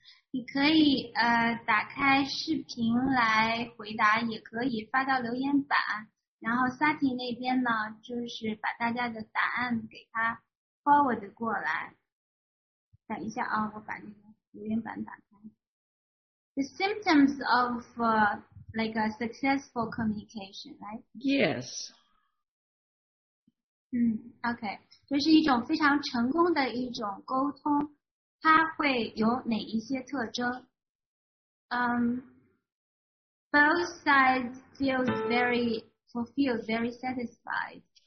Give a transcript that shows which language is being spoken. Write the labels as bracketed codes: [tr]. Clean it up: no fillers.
[zh] 你可以打开视频来回答，也可以发到留言板。然后 Sati 那边呢，就是把大家的答案给他 forward 过来。等一下啊，我把那个留言板打开。 [en] The symptoms of like a successful communication, right? Yes. Okay. [zh] 就是一种非常成功的一种沟通，它会有哪一些特征？ [en] Both sides feel very fulfilled, very satisfied.